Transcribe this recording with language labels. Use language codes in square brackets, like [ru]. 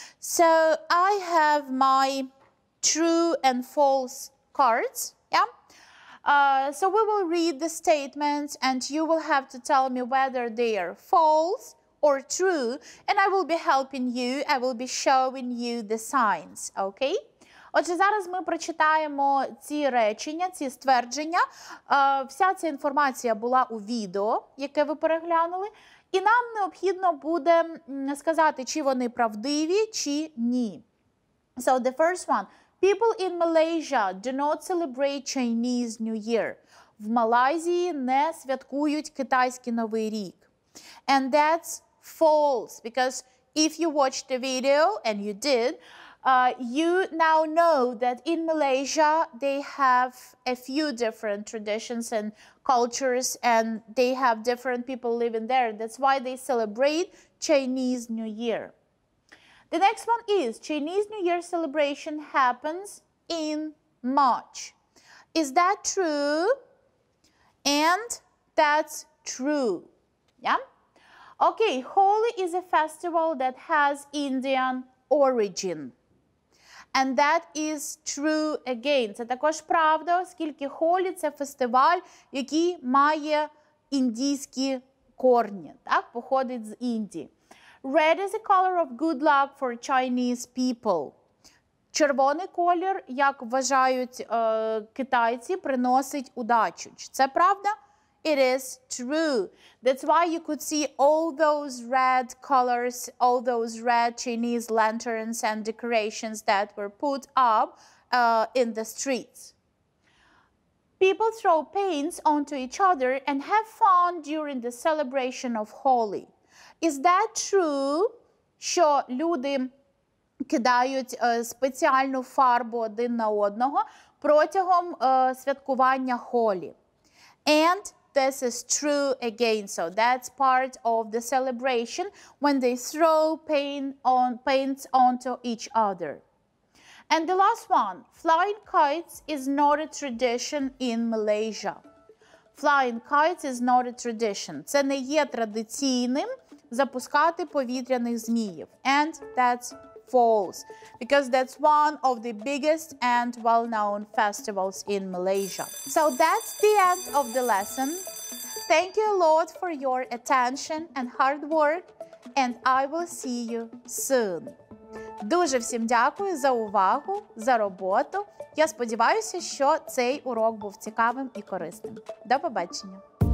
[en] So, I have my true and false cards, yeah? So, we will read the statements and you will have to tell me whether they are false or true. And I will be helping you, I will be showing you the signs, okay? [uk] Отже, зараз ми прочитаємо ці речення, ці ствердження. Вся ця інформація була у відео, яке ви переглянули. І нам необхідно буде сказати, чи вони правдиві, чи ні. [en] So, the first one. People in Malaysia do not celebrate Chinese New Year. [uk] В Малайзії не святкують китайський Новий рік. [en] And that's false, because if you watched the video, and you did, you now know that in Malaysia they have a few different traditions and cultures and they have different people living there. That's why they celebrate Chinese New Year. The next one is Chinese New Year celebration happens in March. Is that true? And that's true. Yeah? Okay, Holi is a festival that has Indian origin. And that is true again. [uk] Це також правда, оскільки Холі – це фестиваль, який має індійські корні, так? Походить з Індії. [en] Red is a color of good luck for Chinese people. [uk] Червоний колір, як вважають китайці, приносить удачу. Це правда? [en] It is true. That's why you could see all those red colors, all those red Chinese lanterns and decorations that were put up in the streets. People throw paints onto each other and have fun during the celebration of Holi. Is that true, [uk] що люди кидають спеціальну фарбу один на одного протягом святкування Холі? [en] And this is true again. So that's part of the celebration when they throw paints onto each other. And the last one, flying kites is not a tradition in Malaysia. Flying kites is not a tradition. [uk] Це не є традиційним запускати повітряних зміїв. [en] And that's false, because that's one of the biggest and well-known festivals in Malaysia. So that's the end of the lesson. Thank you a lot for your attention and hard work, and I will see you soon. [uk] Дуже всім дякую за увагу, за роботу. Я сподіваюся, що цей урок був цікавим і корисним. До побачення!